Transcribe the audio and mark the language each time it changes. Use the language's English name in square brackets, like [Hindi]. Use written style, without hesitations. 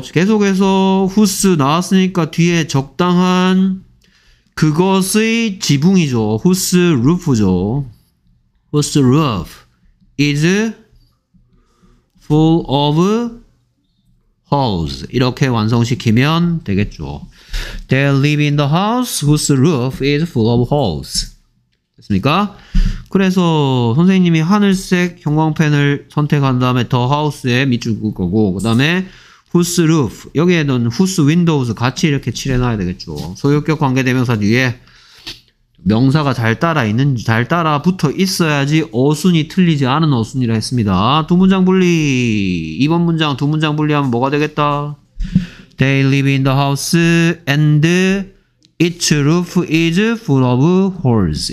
[Korean] 계속해서 whose 나왔으니까 뒤에 적당한 그것의 지붕이죠. [English] Whose roof죠. Whose roof is full of holes. [Korean] 이렇게 완성시키면 되겠죠. [English] They live in the house whose roof is full of holes. [Korean] 됐습니까? 그래서 선생님이 하늘색 형광펜을 선택한 다음에 the house에 밑줄 그을 거고 그 다음에 whose roof 여기에는 whose windows 같이 이렇게 칠해놔야 되겠죠. 소유격 관계대명사 뒤에 명사가 잘 따라 있는지 잘 따라 붙어 있어야지 어순이 틀리지 않은 어순이라 했습니다. 두 문장 분리. 이번 문장 두 문장 분리하면 뭐가 되겠다? [English] They live in the house and its roof is full of holes.